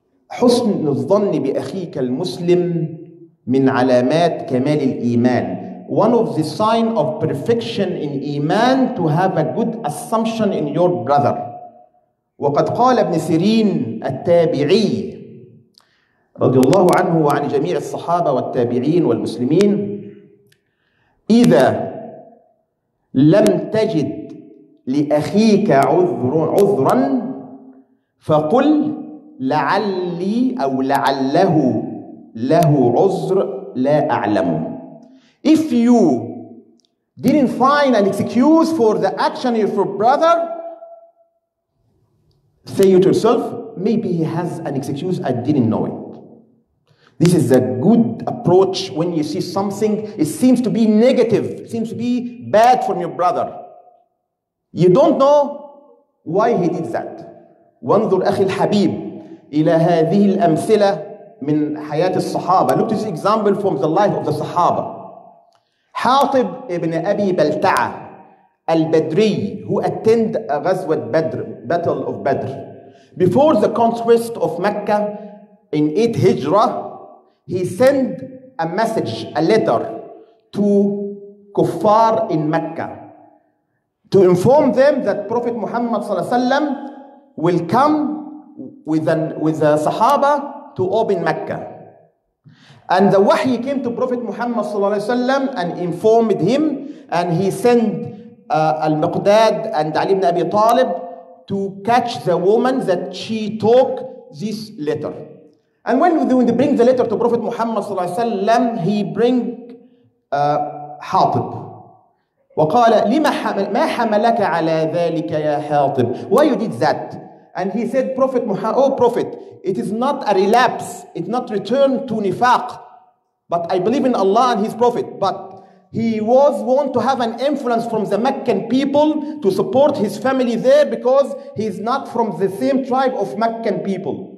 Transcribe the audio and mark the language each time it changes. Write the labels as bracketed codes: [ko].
[ar] حسن الظن بأخيك المسلم من علامات كمال الإيمان. [en] One of the signs of perfection in Iman, to have a good assumption in your brother. [ar] وقد قال ابن سيرين التابعي رضي الله عنه وعن جميع الصحابة والتابعين والمسلمين, إذا لم تجد لأخيك عذرا فقل لعلي أو لعله له عذر لا أعلمه. [en] If you didn't find an excuse for the action of your brother, say to yourself, maybe he has an excuse, I didn't know it. This is a good approach when you see something, it seems to be negative, it seems to be bad from your brother. You don't know why he did that. [ar] وانظر أخي الحبيب إلى هذه الأمثلة من حياة الصحابة. [en] Look at this example from the life of the Sahaba. حاطب ابن أبي بلتعة البدري, who attend غزوة بدر, battle of Badr. Before the conquest of Mecca in 8 هجرة, he sent a message, a letter to كفار in Mecca to inform them that Prophet Muhammad صلى الله عليه وسلم will come with a Sahaba to open Mecca. And the wahi came to Prophet Muhammad صلى الله عليه وسلم and informed him, and he sent al-Miqdad and Ali ibn Abi Talib to catch the woman that she took this letter. And when they bring the letter to Prophet Muhammad صلى الله عليه وسلم, he bring Hatib. [ar] وقال لما ما حملك على ذلك يا حاطب. [en] Why you did that? And he said, Prophet Muhammad, oh Prophet, it is not a relapse, it's not return to nifaq, but I believe in Allah and his Prophet. But he was want to have an influence from the Meccan people to support his family there, because he is not from the same tribe of Meccan people.